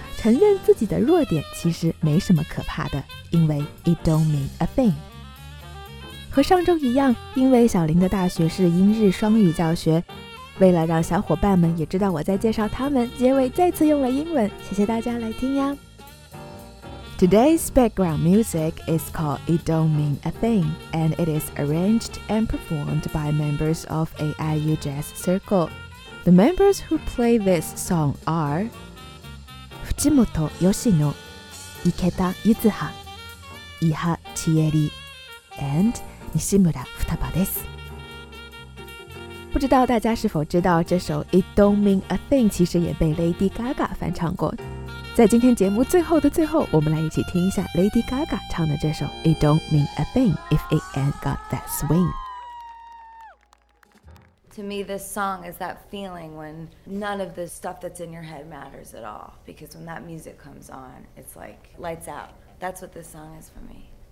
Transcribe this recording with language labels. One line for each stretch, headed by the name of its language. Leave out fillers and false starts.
Chinese: 承认自己的弱点其实没什么可怕的，因为 It Don't Mean A Thing。和上周一样，因为小林的大学是英日双语教学，为了让小伙伴们也知道我在介绍他们，结尾再次用了英文，谢谢大家来听呀。
English: Today's background music is called It Don't Mean A Thing, and it is arranged and performed by members of AIU Jazz Circle. The members who play this song are
Japanese: 藤本義之、池田ゆずは、伊波千恵里、
English: and
Japanese: 西村二葉です。
Chinese: 不知道大家是否知道这首 It Don't Mean A Thing 其实也被 Lady Gaga 翻唱过。在今天节目最后的最后，我们来一起听一下 Lady Gaga 唱的这首 It Don't Mean A Thing If It Ain't Got That Swing。
English: To me, this song is that feeling when none of the stuff that's in your head matters at all. Because when that music comes on, it's like lights out. That's what this song is for me.